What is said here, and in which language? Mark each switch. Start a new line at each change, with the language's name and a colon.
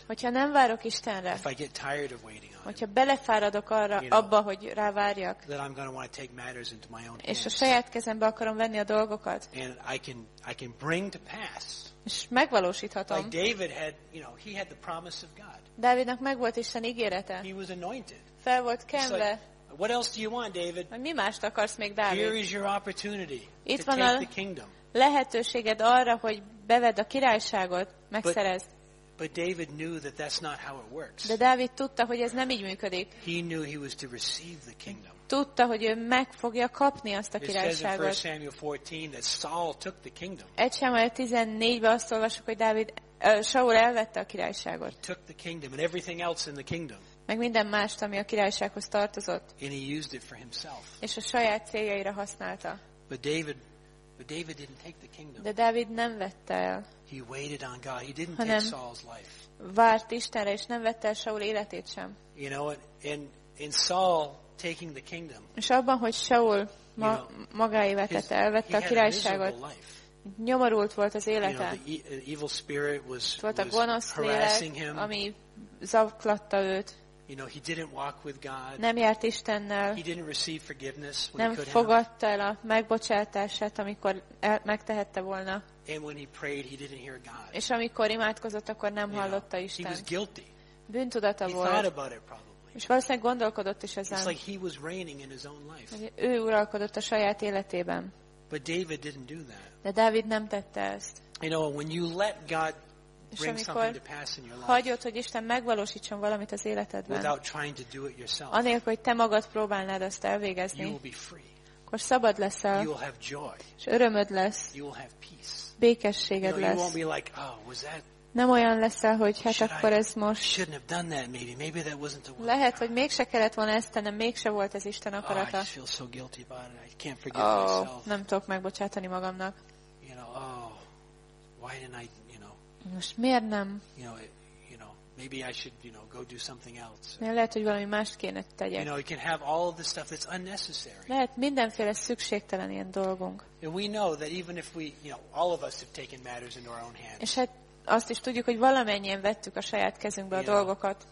Hungarian: Hogyha nem várok Istenre.
English: If I get tired of waiting on.
Hungarian: Hogyha belefáradok arra, abba, hogy rávárjak.
English: That I'm going to want to take matters into my own hands.
Hungarian: És a saját kezembe akarom venni a dolgokat.
English: And I can bring to pass.
Hungarian: És megvalósíthatom.
English: Like David had, you know, he had the promise of God.
Hungarian: Dávidnak megvolt Isten ígérete.
English: He was anointed.
Hungarian: Fel volt kenve.
English: What else do you want, David?
Hungarian: Mi mást akarsz még, Dávid?
English: Here is your opportunity.
Hungarian: Itt van a lehetőséged arra, hogy bevedd a királyságot, megszerezd.
English: But David knew that that's not how it works.
Hungarian: De Dávid tudta, hogy ez nem így működik.
English: He knew he was to receive the kingdom.
Hungarian: Tudta, hogy ő meg fogja kapni azt a királyságot.
English: It says in 1 Samuel 14 that Saul took the kingdom.
Hungarian: 1 Samuel 14-ben azt olvassuk, hogy Dávid Saul elvette a királyságot.
English: He took the kingdom and everything else in the kingdom.
Hungarian: Meg minden mást, ami a királysághoz tartozott.
English: And he used it for himself.
Hungarian: És a saját céljaira használta.
English: But David didn't take the kingdom.
Hungarian: De Dávid nem vette el.
English: He waited on God. He didn't take Saul's life.
Hungarian: Várt Istenre, és nem vette el Saul életét sem.
English: You know, in Saul taking the kingdom.
Hungarian: És abban, hogy Saul magáévá tette, elvette a királyságot. Nyomorult volt az élete.
English: You know, the evil spirit was harassing him.
Hungarian: Ami zaklatta őt.
English: You know, he didn't walk with God.
Hungarian: Nem járt Istennel.
English: He didn't receive forgiveness when
Hungarian: nem
English: he could have.
Hungarian: Fogadta el a megbocsátását, amikor megtehette volna.
English: And when he prayed, he didn't hear God.
Hungarian: És amikor imádkozott, akkor nem hallotta Istent.
English: He was guilty.
Hungarian: Bűntudata volt.
English: He thought about it probably.
Hungarian: És valószínűleg gondolkodott is ezen.
English: It's like he was reigning in his own life.
Hungarian: Ő uralkodott a saját életében.
English: But David didn't do that.
Hungarian: De Dávid nem tette ezt.
English: You know, when you let God bring something to pass in your life.
Hungarian: Hagyod, hogy Isten megvalósítson valamit az életedben.
English: Without trying to do it yourself.
Hungarian: Anélkül, hogy te magad próbálnád azt elvégezni.
English: You will be free.
Hungarian: Akkor szabad leszel.
English: You will have joy.
Hungarian: És örömöd lesz.
English: You will have peace.
Hungarian: Békességed lesz.
English: You won't be like, oh, was that?
Hungarian: Nem olyan leszel, hogy hát akkor ez most.
English: Shouldn't have done that, maybe that wasn't the will.
Hungarian: Lehet, hogy mégse kellett volna ezt tennem, mégse volt ez Isten akarata.
English: Oh, I feel so guilty about it. I can't forgive myself.
Hungarian: Nem tudok megbocsátani magamnak.
English: You know, oh, why didn't I?
Hungarian: Most miért nem?
English: You know, maybe I should, you know, go do something else.
Hungarian: Mert lehet, hogy valami mást kéne tegyek.
English: You know, you can have all the stuff that's unnecessary.
Hungarian: Lehet mindenféle szükségtelen ilyen dolgunk.
English: And we know that even if we, you know, all of us have taken matters into our own hands.
Hungarian: És hát azt is tudjuk, hogy valamennyien vettük a saját kezünkbe a dolgokat.